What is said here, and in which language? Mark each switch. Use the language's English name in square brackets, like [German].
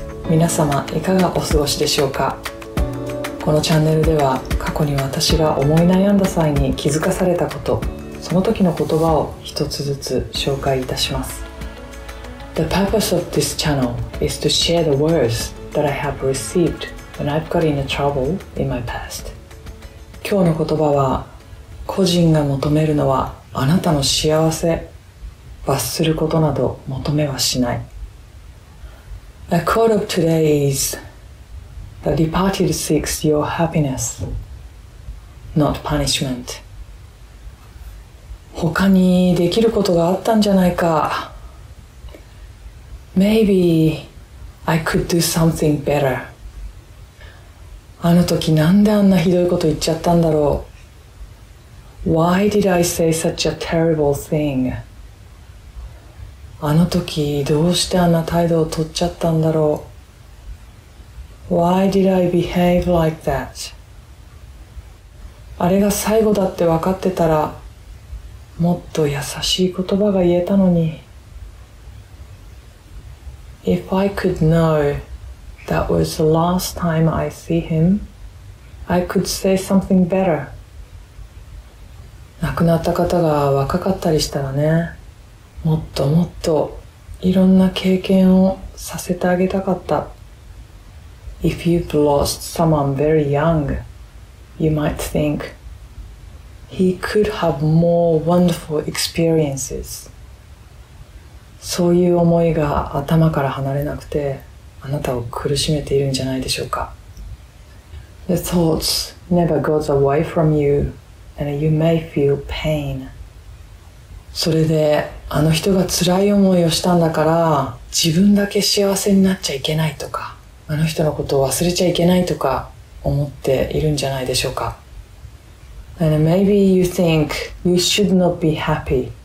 [Japanese] 皆様いかがお過ごしでしょうか。このチャンネルでは過去に私が思い悩んだ際に気づかされたこと、その時の言葉を一つずつ紹介いたします。 [English] The purpose of this channel is to share the words that I have received when I've got into trouble in my past. [Japanese] 今日の言葉は、個人が求めるのはあなたの幸せ。罰することなど求めはしない。 [English] The quote of today is, The departed seeks your happiness, not punishment. [Japanese] 他にできることがあったんじゃないか。 [English] Maybe I could do something better. [Japanese] あの時なんであんなひどいこと言っちゃったんだろう。 [English] Why did I say such a terrible thing? [Japanese] あの時どうしてあんな態度を取っちゃったんだろう。 [English] Why did I behave like that? [Japanese] あれが最後だって分かってたら、もっと優しい言葉が言えたのに。 [English] If I could know that was the last time I see him, I could say something better. [Japanese] 亡くなった方が若かったりしたらね、もっともっといろんな経験をさせてあげたかった。 [English] If you've lost someone very young, you might think, he could have more wonderful experiences. [Japanese] そういう思いが頭から離れなくて、あなたを苦しめているんじゃないでしょうか。 [English] The thoughts never go away from you, and you may feel pain. [Japanese] それで、あの人が辛い思いをしたんだから、自分だけ幸せになっちゃいけないとか、あの人のことを忘れちゃいけないとか思っているんじゃないでしょうか。 [English] And maybe you think you should not be happy.